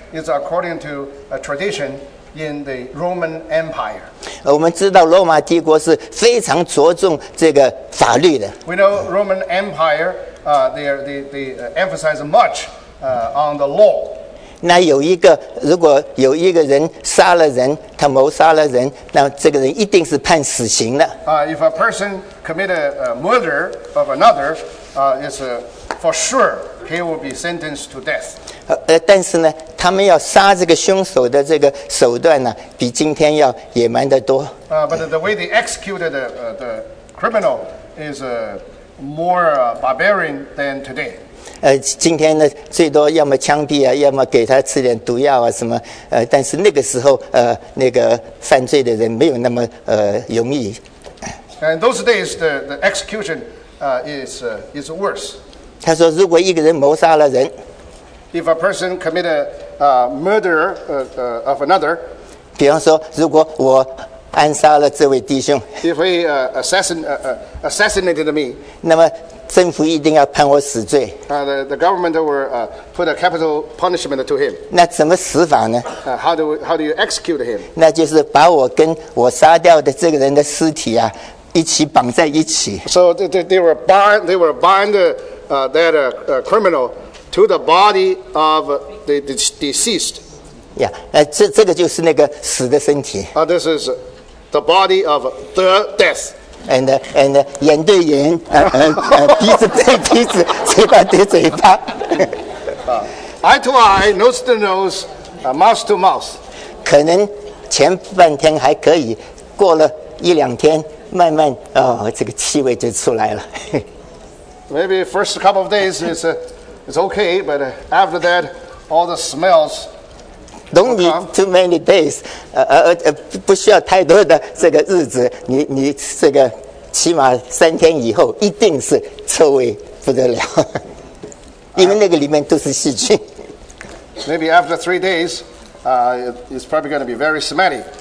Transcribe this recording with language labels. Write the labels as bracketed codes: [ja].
[en] Is according to a tradition in the Roman Empire. [zh] 我们知道罗马帝国是非常着重这个法律的。 [en] We know Roman Empire, they emphasize much on the law. [zh] 那有一个，如果有一个人杀了人，他谋杀了人，那这个人一定是判死刑的。 [en] If a person committed a murder of another, is for sure he will be sentenced to death. [zh] 但是呢, 他们要杀这个凶手的这个手段呢, 比今天要野蛮得多。 [en] But the way they executed the criminal is more barbarian than today. [zh] 今天呢, 最多要么枪毙啊, 要么给他吃点毒药啊什么, 但是那个时候, 那个犯罪的人没有那么, 容易。 [en] And those days, the execution is worse. [zh] 他说如果一个人谋杀了人, [en] If a person commit a murder of another, [zh] 比方说如果我暗杀了这位弟兄, [en] If he assassinated me, [zh] 那么政府一定要判我死罪, [en] the government will put a capital punishment to him. [zh] 那怎么死法呢? [en] How do you execute him? [zh] 那就是把我跟我杀掉的这个人的尸体啊, 一起绑在一起。 [en] So they were bound that criminal to the body of the deceased. [zh] Yeah, 这个就是那个死的身体。 [en] This is the body of the death. [zh] And 眼对眼, 鼻子对鼻子, 嘴巴对嘴巴。 [en] Eye to eye, nose to nose, mouth to mouth. [zh] 可能前半天还可以, 过了一两天, 慢慢, 哦, 这个气味就出来了。 [en] Maybe first couple of days is it's okay, but after that, all the smells. Don't need too many days. [zh] 不需要太多的这个日子，你这个起码三天以后一定是臭味不得了，因为那个里面都是细菌。 [en] Maybe after 3 days, it's probably going to be very smelly.